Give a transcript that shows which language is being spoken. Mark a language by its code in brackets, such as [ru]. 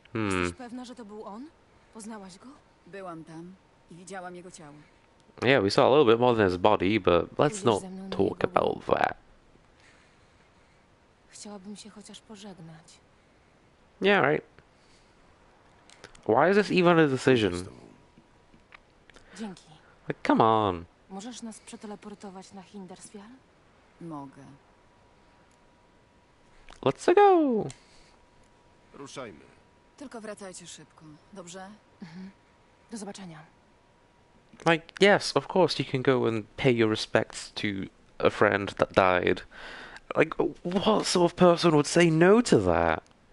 [pl] Jesteś pewna, że to był on? Poznałaś go? Byłam tam i widziałam jego ciało. [en] Yeah, we saw a little bit more than his body, but let's not talk about that. [pl] Chciałabym się chociaż pożegnać. [en] Yeah, right. Why is this even a decision? [pl] Dzięki. [en] Like, come on. [pl] Możesz nas przeteleportować na Hindersfjall? Mogę. [en] Let's go. [pl] Ruszajmy. Tylko wracajcie szybko, dobrze? Mhm. Do zobaczenia. [en] Like, yes, of course, you can go and pay your respects to a friend that died. Like, what sort of person would say no to that?